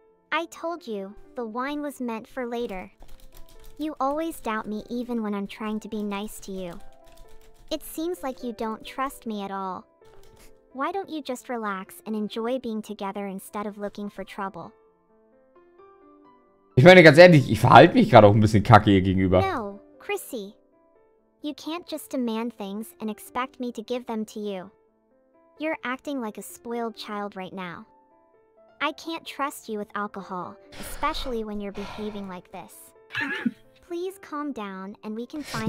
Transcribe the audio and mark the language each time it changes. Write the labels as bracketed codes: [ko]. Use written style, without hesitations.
[en] I told you, the wine was meant for later. You always doubt me even when I'm trying to be nice to you. It seems like you don't trust me at all. Why don't you just relax and enjoy being together instead of looking for trouble? [de] Ich meine ganz ehrlich, ich verhalte mich gerade auch ein bisschen kacke ihr gegenüber. [en] No, Chrissy. You can't just demand things and expect me to give them to you. You're acting like a spoiled child right now. I can't trust you with alcohol, especially when you're behaving like this. Please calm down and we can find